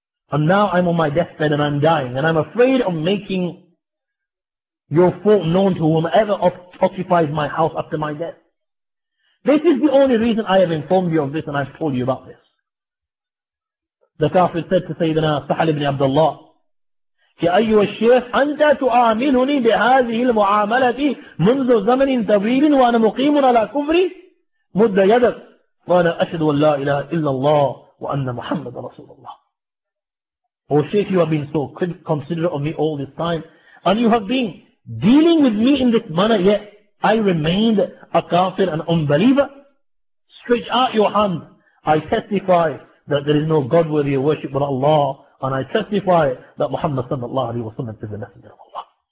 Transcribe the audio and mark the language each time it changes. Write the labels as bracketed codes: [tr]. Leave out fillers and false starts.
[en] And now I'm on my deathbed and I'm dying, and I'm afraid of making your fault known to whomever occupies my house after my death. This is the only reason I have informed you of this and I've told you about this. The Kafir said to Sayyidina Sahal ibn Abdullah, [ar] أَيُّهَا الشَّيْخُ أَنْتَ تُعَامِلُنِي بِهَذِهِ الْمُعَامَلَةِ مُنْذُ زَمَنٍ طَوِيلٍ وَأَنَا مُقِيمٌ عَلَى كُفْرِي مُدَّ يَدَكَ وَأَنَا أَشْهَدُ أَنْ لَا إِلَهَ إِلَّا اللَّهُ وَأَنَّ مُحَمَّدًا رَسُولُ اللَّهِ. [en] O Shaykh, you have been so considerate of me all this time, and you have been dealing with me in this manner, yet I remained a kafir, an unbeliever. Stretch out your hand. I testify that there is no God worthy of worship but Allah, and I testify that Muhammad sallallahu alayhi wa sallam is the messenger of Allah.